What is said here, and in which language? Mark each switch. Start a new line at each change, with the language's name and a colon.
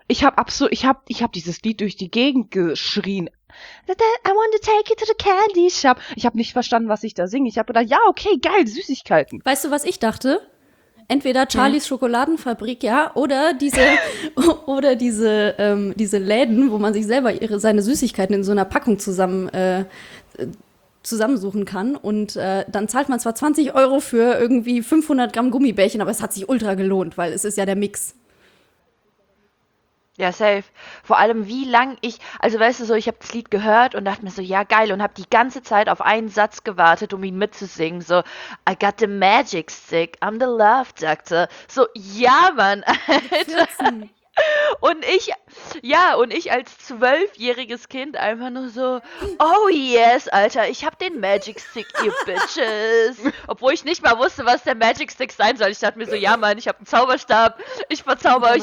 German: Ich hab dieses Lied durch die Gegend geschrien.
English: I want to take you to the Candy Shop.
German: Ich habe nicht verstanden, was ich da singe. Ich habe gedacht, ja, okay, geil, Süßigkeiten. Weißt du, was ich dachte? Entweder Charlies Schokoladenfabrik, ja, oder diese Läden, wo man sich selber seine Süßigkeiten in so einer Packung zusammensuchen kann. Und dann zahlt man zwar 20 Euro für irgendwie 500 Gramm Gummibärchen, aber es hat sich ultra gelohnt, weil es ist ja der Mix. Ja, safe. Vor allem, wie lang ich, also weißt du so, ich habe das Lied gehört und dachte mir so, ja, geil, und habe die ganze Zeit auf einen Satz gewartet, um ihn mitzusingen.
English: So, I got the magic stick, I'm the love doctor.
German: So, ja, Mann, Mit Alter. 14. Und ich als 12-jähriges Kind einfach nur so,
English: oh yes,
German: Alter, ich hab den Magic Stick, ihr Bitches. Obwohl ich nicht mal wusste, was der Magic Stick sein soll. Ich dachte mir so, ja, Mann, ich hab einen Zauberstab, ich verzauber euch